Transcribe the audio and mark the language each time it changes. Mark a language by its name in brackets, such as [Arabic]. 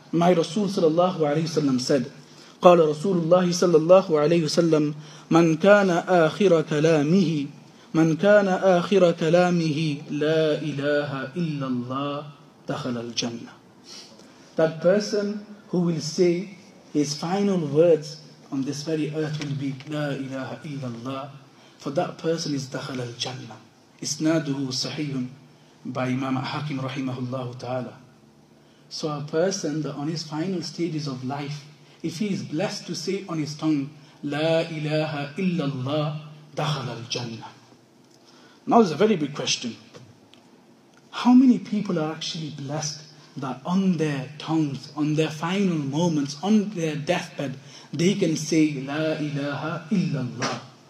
[English] My Rasul [Arabic] صلى الله عليه وسلم [English] said, [Arabic] قال رسول الله صلى الله عليه وسلم من كان آخر كلامه من كان آخر كلامه لا إله إلا الله دخل الجنة. [English] That person who will say his final words on this very earth will be [Arabic] لا إله إلا الله. [English] For that person is [Arabic] دخل الجنة. إسناده صحيح [English] by Imam Hakim [Arabic] رحمه الله تعالى. [English] So a person that on his final stages of life, if he is blessed to say on his tongue, La ilaha illallah, dakhala al-jannah. Now there's a very big question. How many people are actually blessed that on their tongues, on their final moments, on their deathbed, they can say, La ilaha illallah.